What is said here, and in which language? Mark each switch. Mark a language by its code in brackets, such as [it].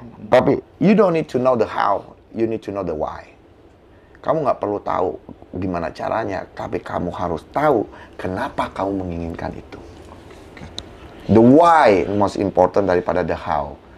[en] Tapi, you don't need to know the how. You need to know the why. [id] Kamu nggak perlu tahu gimana caranya, tapi kamu harus tahu kenapa kamu menginginkan itu. [en] The why most important daripada the how.